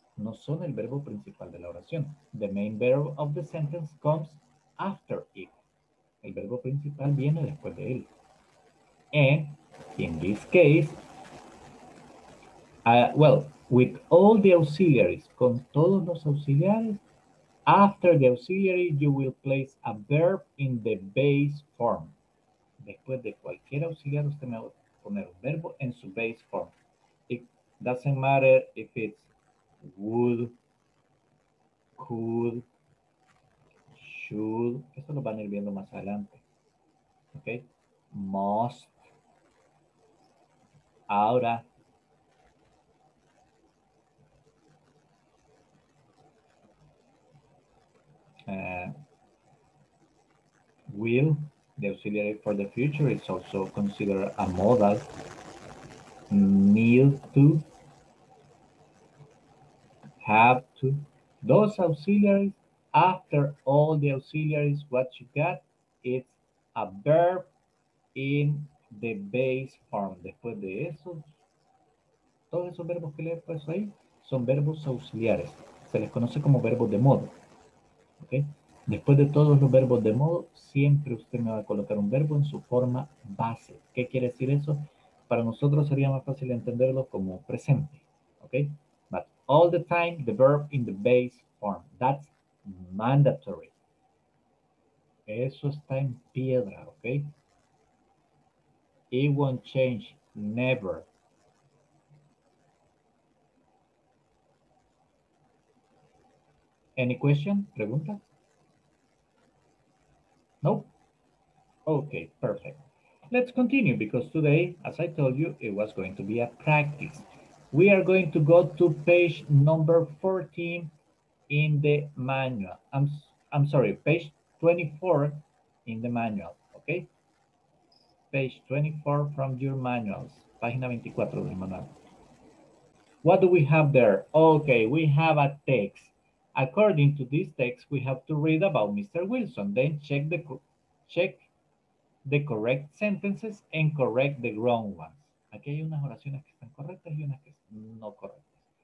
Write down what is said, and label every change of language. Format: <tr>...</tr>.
<es>No son el verbo principal de la oración.</es> <en>The main verb of the sentence comes after it.</en> <es>El verbo principal viene después de él.</es> <en>And in this case, well, with all the auxiliaries,</en> <es>con todos los auxiliares,</es> <en>after the auxiliary, you will place a verb in the base form.</en> <es>Después de cualquier auxiliar, usted me va a poner un verbo en su</es> <en>base form. It doesn't matter if it's would, could, should.</en> <es>Esto lo van a ir viendo más adelante.</es> <en>Okay? Must.</en> <es>Ahora.</es> <en>will, the auxiliary for the future, is also considered a modal. Need to, have to, those auxiliaries, after all the auxiliaries, what you got, it's a verb in the base form.</en> <es>Después de eso, todos esos verbos que le he puesto ahí, son verbos auxiliares. Se les conoce como verbos de modo. ¿Okay? Después de todos los verbos de modo, siempre usted me va a colocar un verbo en su forma base. ¿Qué quiere decir eso? Para nosotros sería más fácil entenderlo como presente. ¿Okay?</es> <en>But all the time, the verb in the base form. That's mandatory.</en> <es>Eso está en piedra,</es> <en>¿okay? It won't change, never. Any question?</en> <es>Pregunta?</es> <en>No? Okay, perfect. Let's continue because today, as I told you, it was going to be a practice. We are going to go to page number 14 in the manual. I'm sorry, page 24 in the manual, okay? Page 24 from your manuals.</en> <es>Página 24 del manual.</es> <en>What do we have there? Okay, we have a text. According to this text, we have to read about Mr. Wilson. Then check the correct sentences and correct the wrong ones.</en> <es>Aquí hay unas oraciones que están correctas y unas que no correctas.</es>